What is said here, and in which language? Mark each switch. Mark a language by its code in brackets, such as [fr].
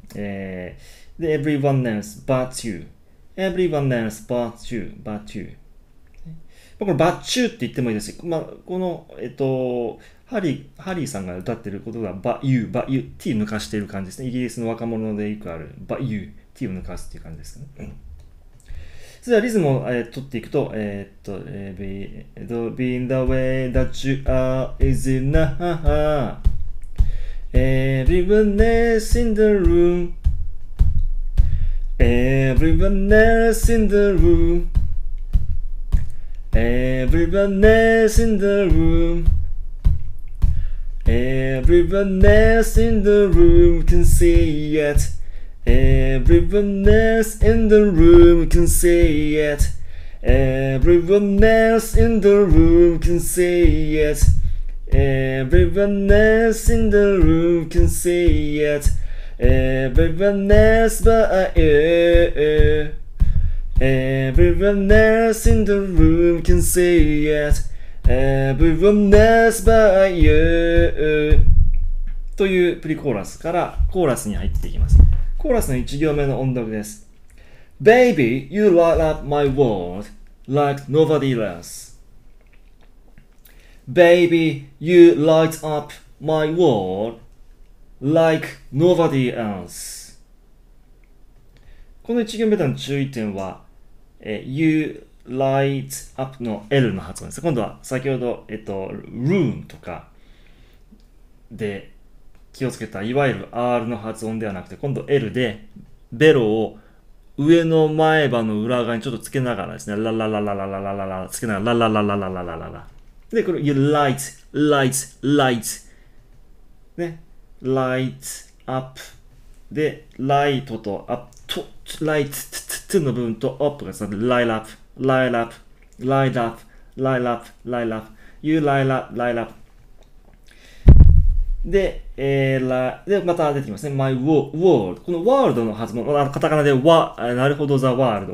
[ja] で [en] everyone else but you、 [ja] everyone else but you、 but you、 この but you って言ってもいいですし、まあ、この、ハリーさんが歌ってることが but you、 but you、 t 抜かしている感じですね。イギリスの若者でよくある but you、 t を抜かすっていう感じですね。それではリズムを、取っていくと、 [en] being the way that you are is enough. Everyone else in the room. Everyone else in the room. Everyone else in the room. Everyone else in the room can see it. Everyone else in the room can say it. Everyone else in the room can say it. Everyone else in the room can say it. Everyone else but I. Everyone else in the room can say it. Everyone else but I. [ja] というプリコーラスからコーラスに入っていきます。コーラスの一行目の音読です。 [en] Baby, you light up my world like nobody else. Baby, you light up my world like nobody else. [ja] この一行目の注意点は、you light up の L の発音です。今度は先ほど、room とかで、気をつけた、いわゆる R の発音ではなくて、今度 L で、ベロを上の前歯の裏側にちょっとつけながらですね、ラララララララララ、つけながら、ラララララララララ。 [en] で、これ、you light, light, light。 ね、light, up。で、light と up、と、light, t, t, t の部分と up がつながる、light up, light up, light up, light up, light up, you light up, light up。 [ja] で、で、また出てきますね。 [en] my world. [ja] この world の発音、あのカタカナで、なるほど、the world。